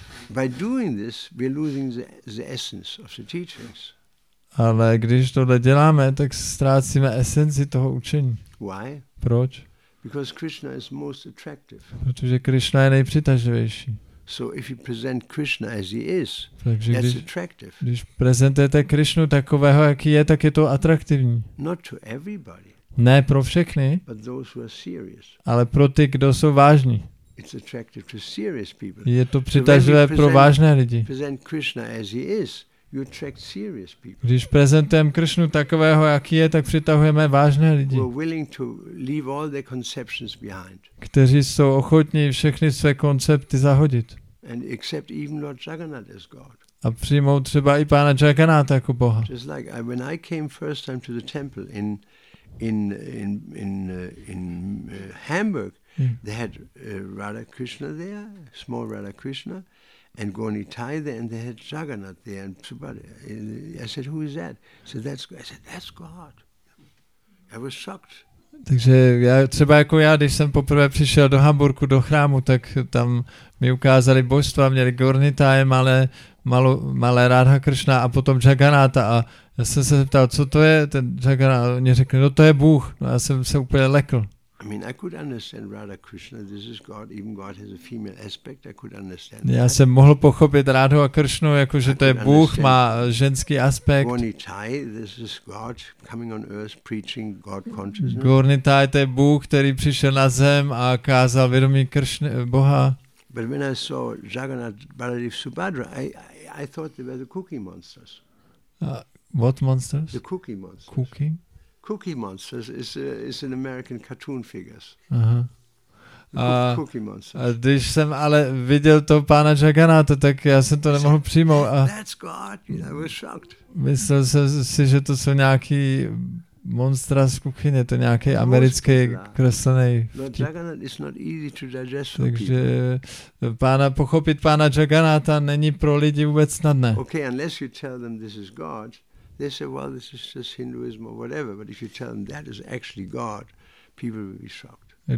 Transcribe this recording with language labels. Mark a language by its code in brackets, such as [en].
[en] By doing this, we're losing the essence of the teachings. [cs] Ale když tohle děláme, tak ztrácíme esenci toho učení. [en] Why? [cs] Proč? [en] Because Krishna is most attractive. [cs] Protože Krishna je nejpřitažlivější. [en] So if you present Krishna as he is, [cs] takže [en] that's attractive. [cs] Když prezentujete Krishnu takového, jaký je, tak je to atraktivní. [en] Not to everybody. [cs] Ne pro všechny. [en] But those who are serious. [cs] Ale pro ty, kdo jsou vážní. [en] It's attractive to serious people. [cs] Je to přitažlivé pro vážné lidi. [en] Present Krishna as he is, you attract serious people. [cs] Když prezentujeme Krishnu takového, jaký je, tak přitahujeme vážné lidi. [en] Who are willing to leave all their conceptions behind. [cs] Kteří jsou ochotní všechny své koncepty zahodit. [en] And accept even Lord Jagannath as God. [cs] A přijmout třeba i Pána Jagannatha jako Boha. [en] Just like when I came first time to the temple in Hamburg. They had Radha Krishna there, small Radha Krishna, and Gaunitai there, and they had Jagannath there. And somebody, I said, "Who is that?" So that's I said, "That's God." I was shocked. [cs] Takže já třeba jako já, když jsem poprvé přišel do Hamburku do chrámu, tak tam mi ukázali božstva, měli Gaunitai, malé Radha Krishna a potom Jagannatha. A já jsem se zeptal, co to je ten Jagannath. Oni řekli, no to je Bůh. No, já jsem se úplně lekl. [en] I mean, I could understand Radha Krishna. This is God. Even God has a female aspect. I could understand. [cs] Já jsem mohl pochopit Radhu a Krishnu, jakože to je Bůh, má ženský aspekt. [en] Gaunitai, this is God coming on earth, preaching God consciousness. [cs] Gaunitai, to je Bůh, který přišel na zem a kázal vědomí Krishna, Boha. [en] But when I saw Jagannath Baladev Subhadra, I thought they were the cookie monsters. What monsters? The cookie monsters. Cookie Monsters is an American cartoon figures. Aha. Cookie Monsters. [cs] A když jsem ale viděl to pána Jagannatha, tak já jsem to nemohl přijmout. [en] That's God. I was shocked. [cs] Myslel jsem si, že to jsou nějaký monstra z kuchyně, to nějaký americký kreslený. [en] Jagannath is not easy to digest. [cs] Takže pochopit pána Jagannatha není pro lidi vůbec snadné. [en] Okay, unless you tell them this is God. They say, well, this is just Hinduism or whatever. But if you tell them that is actually God, people will be shocked.